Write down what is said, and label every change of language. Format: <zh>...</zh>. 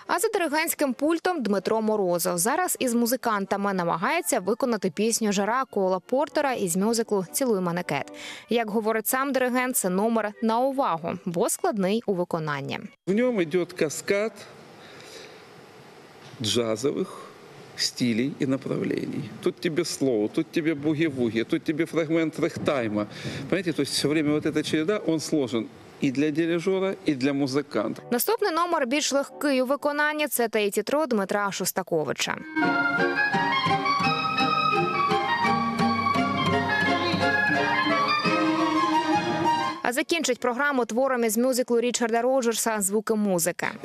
<uk>А за диригентським пультом Дмитро Морозов зараз із музикантами намагається виконати пісню «Жара» Кола Портера із мюзиклу «Цілуй мене, Кет». Як говорить сам диригент, це номер на увагу, бо складний у виконанні. В ньому йде каскад джазових стилей і направлений. Тут тебе слово, тут тебе буги-вуги, тут тебе фрагмент рехтайма.</uk> <ru>Понимаєте, то все время вот эта череда, он сложен і для дирижера, і для музиканта.</ru> <uk>Наступний номер більш легкий у виконанні – це «Тетітро» Дмитра Шостаковича. А закінчить програму творами з мюзиклу Річарда Роджерса «Звуки музики».</uk>